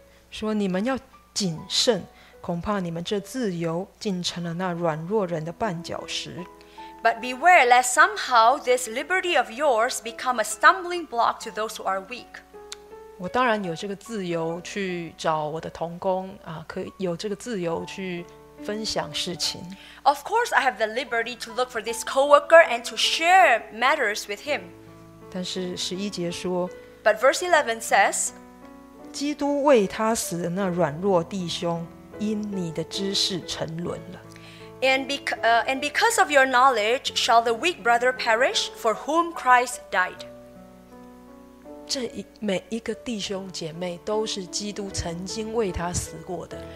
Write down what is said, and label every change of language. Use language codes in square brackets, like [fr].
[zh] 说你们要谨慎，恐怕你们这自由竟成了那软弱人的绊脚石。 [en] But beware lest somehow this liberty of yours become a stumbling block to those who are weak. [zh] 我当然有这个自由去找我的同工、可以有这个自由去分享事情。 [en] Of course I have the liberty to look for this co-worker and to share matters with him. [zh] 但是十一节说 [en] But verse 11 says [zh] 基督为他死的那软弱弟兄因你的知识沉沦了。 [en] And because of your knowledge shall the weak brother perish for whom Christ died. [zh] 这每一个弟兄姐妹都是基督曾经为他死过的。